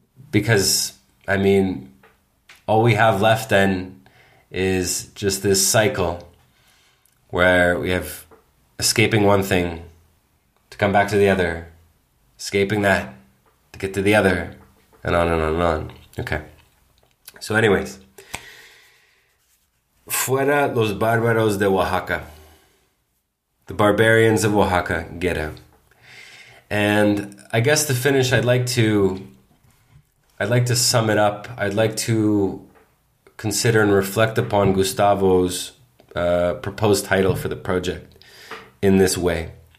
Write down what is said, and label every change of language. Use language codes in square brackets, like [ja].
[en] Because, I mean, all we have left then is just this cycle where we have escaping one thing to come back to the other, escaping that to get to the other, and on and on and on. Okay. So anyways, [es] fuera los bárbaros de Oaxaca. [en] The barbarians of Oaxaca, get out. And I guess to finish, I'd like to sum it up. I'd like to consider and reflect upon Gustavo's proposed title for the project in this way.